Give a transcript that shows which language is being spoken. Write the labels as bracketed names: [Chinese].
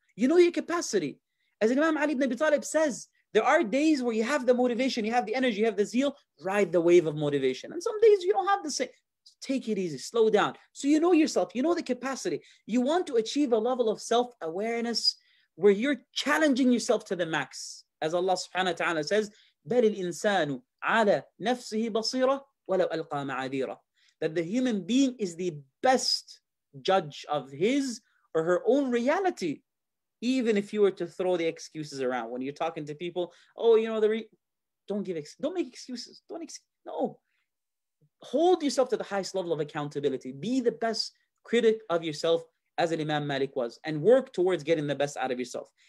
[English] You know your capacity. As Imam Ali ibn Abi Talib says, there are days where you have the motivation, you have the energy, you have the zeal, ride the wave of motivation. And some days you don't have the same. Take it easy, slow down. So you know yourself, you know the capacity. You want to achieve a level of self-awareness where you're challenging yourself to the max. As Allah subhanahu wa ta'ala says, [Arabic] بَلِ الْإِنسَانُ عَلَى نَفْسِهِ بَصِيرًا وَلَوْ أَلْقَى مَعَذِيرًا. [English] That the human being is the best judge of his or her own reality. Even if you were to throw the excuses around when you're talking to people, oh, you know, don't make excuses. No. Hold yourself to the highest level of accountability. Be the best critic of yourself as an Imam Malik was, and work towards getting the best out of yourself.